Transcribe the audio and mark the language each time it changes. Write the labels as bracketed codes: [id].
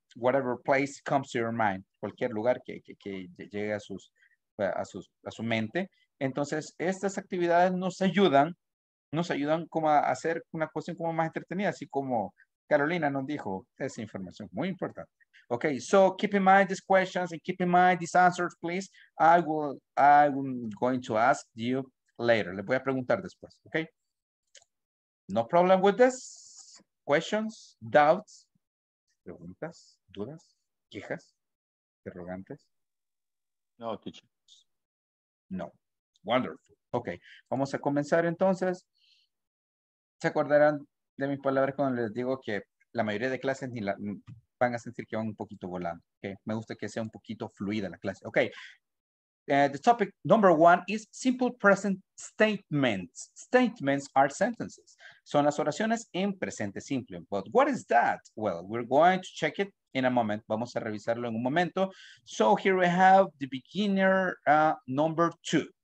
[en] Whatever place comes to your mind. [es] Cualquier lugar que llegue a su mente. Entonces, estas actividades nos ayudan como a hacer una cuestión como más entretenida, así como Carolina nos dijo, esa información muy importante. [en] Okay, so keep in mind these questions and keep in mind these answers, please. I'm going to ask you later. [es] Le voy a preguntar después, okay? [en] No problem with this. Questions, doubts, [es] preguntas, dudas, quejas, interrogantes. [en] No, teacher. [es] No. [en] Wonderful. [es] Okay, vamos a comenzar entonces. ¿Se acordarán de mis palabras cuando les digo que la mayoría de clases ni la van a sentir que van un poquito volando, ¿ok? Me gusta que sea un poquito fluida la clase, ¿ok? [en] The topic number one is simple present statements. Statements are sentences. [es] Son las oraciones en presente simple. [en] But what is that? Well, we're going to check it in a moment. [es] Vamos a revisarlo en un momento. [en] So here we have the beginner number two.